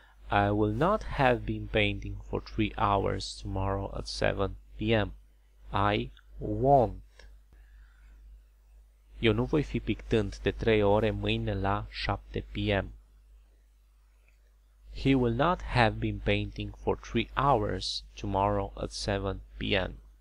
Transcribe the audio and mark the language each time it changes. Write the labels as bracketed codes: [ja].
[en] I will not have been painting for 3 hours tomorrow at 7 p.m. I won't. [ro] Eu nu voi fi pictând de 3 ore mâine la 7 p.m. [en] He will not have been painting for 3 hours tomorrow at 7 p.m.